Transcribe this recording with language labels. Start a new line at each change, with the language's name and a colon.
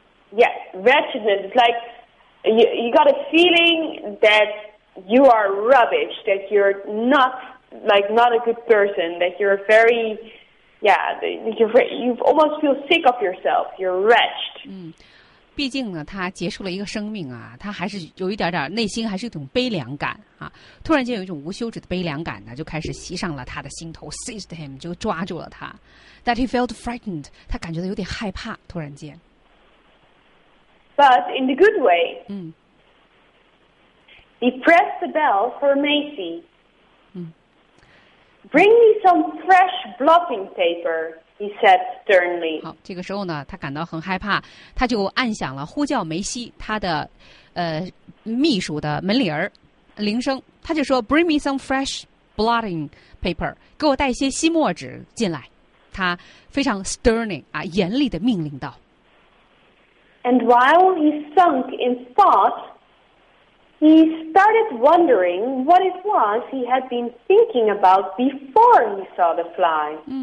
English: Yeah, wretchedness. It's like you got a feeling that you are rubbish, that you're not a good person, that you're very, you almost feel sick of yourself. You're wretched.
Chinese: 毕竟呢，他结束了一个生命啊，他还是有一点点内心还是一种悲凉感啊。突然间有一种无休止的悲凉感呢，就开始袭上了他的心头 ，
English: seized him，
Chinese: 就抓住了他。
English: That he felt frightened，
Chinese: 他感觉到有点害怕。突然间
English: ，But in the good way， he pressed the bell for Macy。 Bring me some fresh blotting paper。 He said sternly.
Chinese: 好，这个时候呢，他感到很害怕，他就按响了呼叫梅西他的，秘书的门铃儿，铃声。他就说 ，
English: Bring me some fresh blotting paper.
Chinese: 给我带一些吸墨纸进来。他非常 sternly 啊，严厉的命令道。
English: And while he sunk in thought, he started wondering what it was he had been thinking about before he saw the fly.